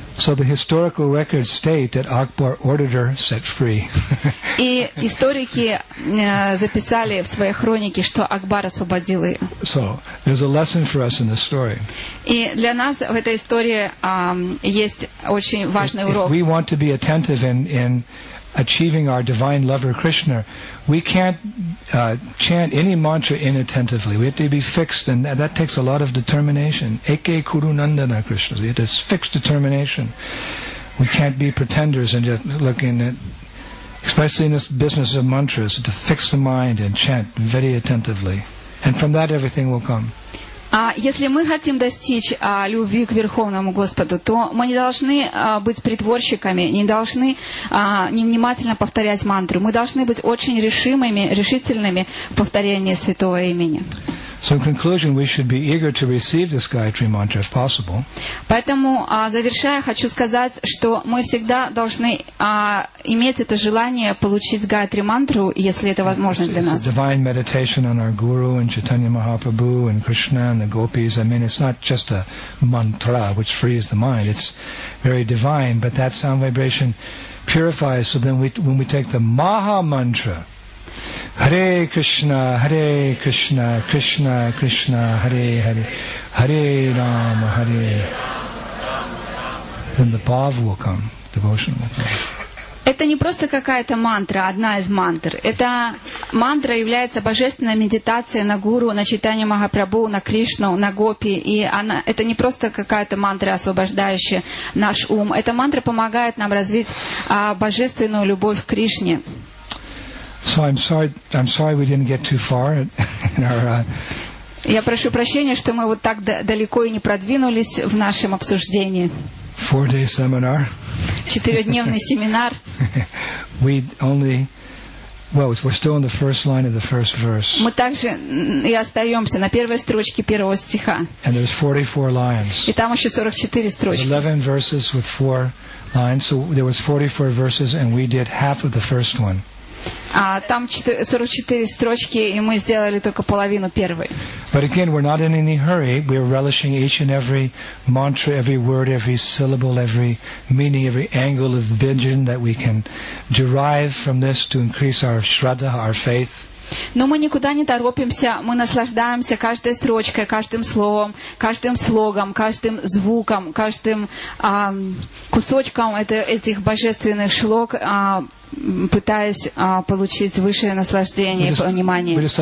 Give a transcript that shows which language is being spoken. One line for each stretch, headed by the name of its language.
English: So the historical records state that Akbar ordered her set free.
Russian: И историки записали в своей хронике, что Акбар освободил ее.
English: So there's a lesson for us in this story.
Russian: И для нас в этой истории есть очень важный урок.
English: If we want to be attentive in achieving our divine lover Krishna, we can't chant any mantra inattentively. We have to be fixed, and that takes a lot of determination. Eke Kuru Nandana Krishna. We have to have fixed determination. We can't be pretenders and just looking at, especially in this business of mantras, to fix the mind and chant very attentively. And from that everything will come.
Russian: Если мы хотим достичь любви к Верховному Господу, то мы не должны быть притворщиками, не должны невнимательно повторять мантру. Мы должны быть очень решимыми, решительными в повторении Святого Имени.
English: So in conclusion, we should be eager to receive this Gayatri Mantra if possible.
Russian: Поэтому, завершая, хочу сказать, что мы всегда должны иметь это желание получить Гайатри Мантру, если это возможно для нас.
English: It's a divine meditation on our Guru and Chaitanya Mahaprabhu and Krishna and the Gopis. I mean, it's not just a mantra which frees the mind. It's very divine, but that sound vibration purifies. So then when we take the Maha Mantra, Hare Krishna, Hare Krishna, Krishna Krishna, Hare Hare, Hare Rama, Hare. Then the bhava will come, devotional will come.
Russian: Это не просто какая-то мантра, одна из мантр. Эта мантра является божественной медитацией на Гуру, на Чайтанью Махапрабху, на Кришну, на Гопи. И она, это не просто какая-то мантра, освобождающая наш ум. Эта мантра помогает нам развить божественную любовь к Кришне.
English: So I'm sorry we didn't get too far in our
Russian: Я прошу прощения, что мы вот так далеко и не продвинулись в нашем обсуждении.
English: 4-day seminar.
Russian: Четырёхдневный семинар.
English: We only we're still on the first line of the first verse.
Russian: Мы также и остаёмся на первой строчке первого стиха.
English: And there's 44 lines.
Russian: И там ещё 44 строчки.
English: 11 verses with 4 lines. So there was 44 verses and we did half of the first one.
Russian: Там 44 строчки, и мы сделали только половину первой.
English: But again, we're not in any hurry. We are relishing each and every mantra, every word, every syllable, every meaning, every angle of vision that we can derive from this to increase our shraddha, our faith.
Russian: Но мы никуда не торопимся, мы наслаждаемся каждой строчкой, каждым словом, каждым слогом, каждым звуком, каждым кусочком этих божественных шлок, пытаясь получить высшее наслаждение и понимание.